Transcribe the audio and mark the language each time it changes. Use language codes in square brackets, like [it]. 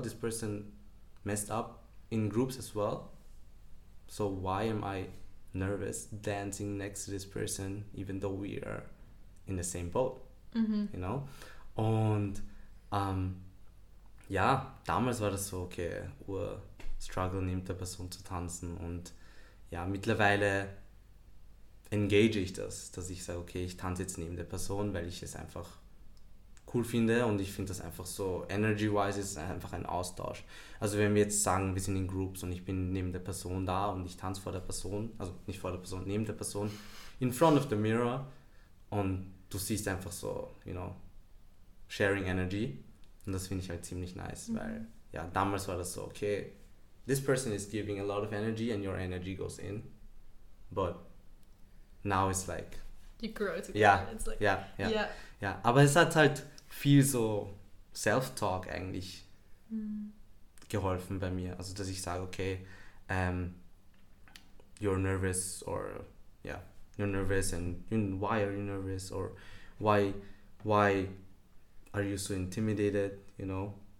[en] This person messed up in groups as well. So why am I nervous dancing next to this person, even though we are in the same boat, mm-hmm. you know? [de] Und ja, damals war das so, okay, Struggle nimmt der Person zu tanzen. Und ja, mittlerweile engage ich das, dass ich sage, okay, ich tanze jetzt neben der Person, weil ich es einfach cool finde und ich finde das einfach so, energy-wise ist es einfach ein Austausch. Also wenn wir jetzt sagen, wir sind in Groups und ich bin neben der Person da und ich tanze vor der Person, also nicht vor der Person, neben der Person, [en] in front of the mirror [de] und du siehst einfach so, [en] you know, sharing energy [de] und das finde ich halt ziemlich nice, mhm. weil ja, damals war das so, [en] okay, this person is giving a lot of energy and your energy goes in, but now it's like you grow together. Yeah, it's like, yeah, yeah, yeah, yeah. [de] Aber es hat halt viel so Self-Talk eigentlich geholfen bei mir. Also dass ich sage, [en] okay, you're nervous or yeah, you're nervous and you, why are you nervous or why are you so intimidated, you know?